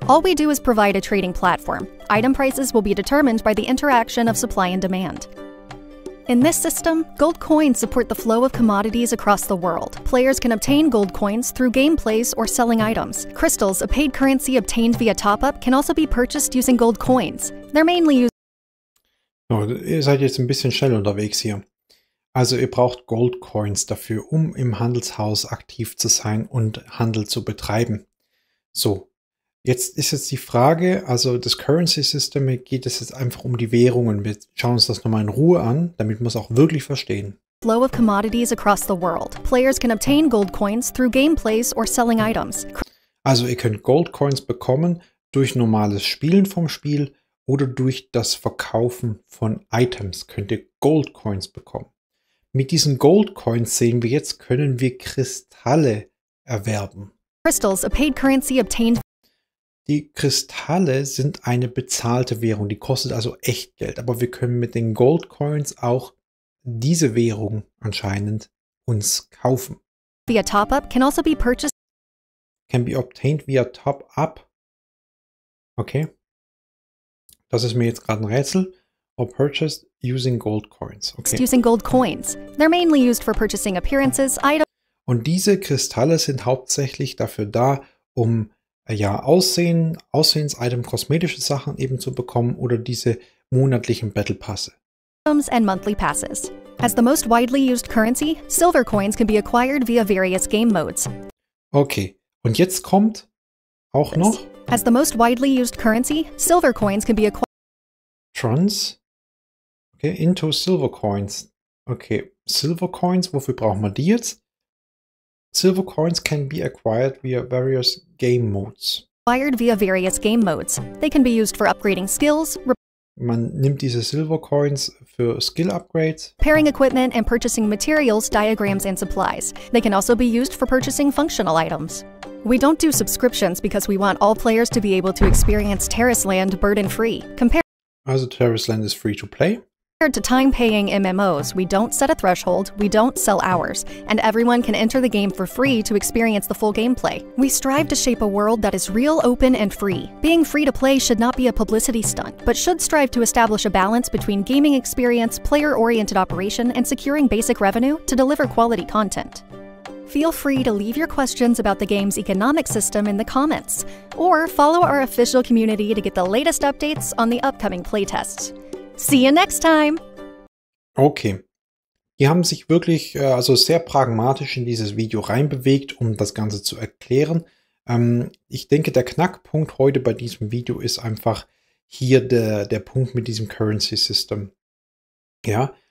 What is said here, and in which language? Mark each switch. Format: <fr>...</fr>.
<en>All we do is provide a trading platform. Item prices will be determined by the interaction of supply and demand. In this system, gold coins support the flow of commodities across the world. Players can obtain gold coins through game plays or selling items. Crystals, a paid currency obtained via top-up, can also be purchased using gold coins. They're mainly used...</en> <de>So, ihr seid jetzt ein bisschen schnell unterwegs hier. Also ihr braucht Gold Coins dafür, um im Handelshaus aktiv zu sein und Handel zu betreiben. So, jetzt ist jetzt die Frage, also das Currency System, geht es jetzt einfach um die Währungen. Wir schauen uns das nochmal in Ruhe an, damit wir es auch wirklich verstehen.</de> <en>Flow of commodities across the world. Players can obtain gold coins through gameplays or selling items.</en> <de>Also ihr könnt Gold Coins bekommen durch normales Spielen vom Spiel oder durch das Verkaufen von Items könnt ihr Gold Coins bekommen. Mit diesen Gold Coins sehen wir jetzt, können wir Kristalle erwerben.</de> <en>Crystals, a paid currency obtained.</en> <de>Die Kristalle sind eine bezahlte Währung, die kostet also echt Geld. Aber wir können mit den Gold Coins auch diese Währung anscheinend uns kaufen.</de> <en>Via top-up can also be purchased. Can be obtained via top-up. Okay.</en> <de>Das ist mir jetzt gerade ein Rätsel.</de> <en>Or purchased using gold coins. Okay. Using gold coins. They're mainly used for purchasing appearances, items.</en> <de>Und diese Kristalle sind hauptsächlich dafür da, um ja Aussehens-Item, kosmetische Sachen eben zu bekommen oder diese monatlichen Battle Passe.</de> <en>Items and monthly passes. As the most widely used currency, silver coins can be acquired via various game modes. Okay.</en> <de>Und jetzt kommt auch noch.</de> <en>As the most widely used currency, silver coins can be acquired. Trons, okay, into silver coins.</en> <de>Okay, silver coins, wofür brauchen wir die jetzt?</de> <en>Silver coins can be acquired via various game modes. Acquired via various game modes. They can be used for upgrading skills.</en> <de>Man nimmt diese silver coins für skill upgrades.</de> <en>Pairing equipment and purchasing materials, diagrams and supplies. They can also be used for purchasing functional items. We don't do subscriptions because we want all players to be able to experience Terrace Land burden free. Also Terrace Land is free to play. Compared to time-paying MMOs, we don't set a threshold, we don't sell hours, and everyone can enter the game for free to experience the full gameplay. We strive to shape a world that is real, open, and free. Being free to play should not be a publicity stunt, but should strive to establish a balance between gaming experience, player-oriented operation, and securing basic revenue to deliver quality content. Feel free to leave your questions about the game's economic system in the comments, or follow our official community to get the latest updates on the upcoming playtests. See you next time!</en> <de>Okay, die haben sich wirklich also sehr pragmatisch in dieses Video reinbewegt, um das Ganze zu erklären. Ich denke, der Knackpunkt heute bei diesem Video ist einfach hier der Punkt mit diesem Currency System. Ja.</de>